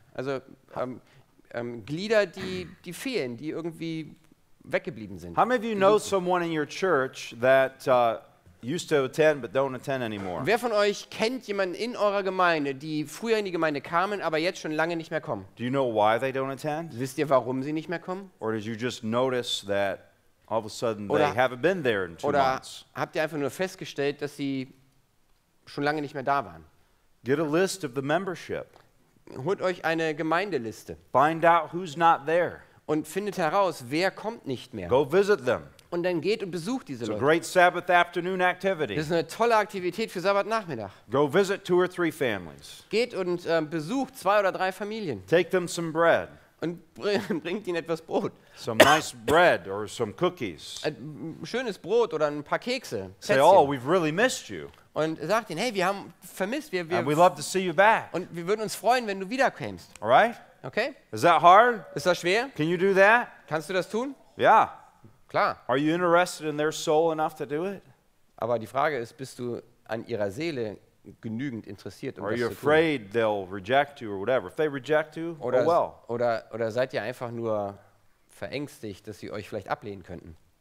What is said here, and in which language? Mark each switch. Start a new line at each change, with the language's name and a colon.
German: Also Glieder, die fehlen, die irgendwie weggeblieben sind.
English: How many of you know someone in your church that used to attend but don't attend anymore?
German: Wer von euch kennt jemanden in eurer Gemeinde, die früher in die Gemeinde kamen, aber jetzt schon lange nicht mehr kommen?
English: Do you know why they don't attend?
German: Wisst ihr, warum sie nicht mehr kommen?
English: Or did you just notice that all of a sudden they haven't been there in 2 months?
German: Oder habt ihr einfach nur festgestellt, dass sie schon lange nicht mehr da waren?
English: Get a list of the membership.
German: Holt euch eine Gemeindeliste.
English: Find out who's not there.
German: Und findet heraus, wer kommt nicht mehr.
English: Go visit them.
German: Und dann geht und besucht diese
English: It's
German: Leute.
English: A great Sabbath afternoon activity.
German: Das ist eine tolle Aktivität für Sabbatnachmittag.
English: Go visit two or three families.
German: Geht und besucht zwei oder drei Familien.
English: Take them some bread.
German: Und bringt ihnen etwas Brot.
English: Some nice bread or some cookies.
German: Ein schönes Brot oder ein paar Kekse.
English: Say, oh, we've really missed you.
German: Und sagt ihnen, hey, wir haben vermisst. Wir
English: and we'd love to see you back.
German: Und wir würden uns freuen, wenn du wiederkämst.
English: All right?
German: Okay.
English: Is that hard?
German: Ist das schwer?
English: Can you do that?
German: Kannst du das tun?
English: Yeah.
German: Klar.
English: Are you interested in their soul enough to do it?
German: Aber die Frage ist, bist du an ihrer Seele genügend interessiert, um
English: Are
German: das
English: you
German: zu
English: afraid
German: tun?
English: They'll reject you or whatever? If they reject you,
German: oder,
English: oh well.
German: Oder seid ihr einfach nur verängstigt, dass sie euch vielleicht ablehnen könnten?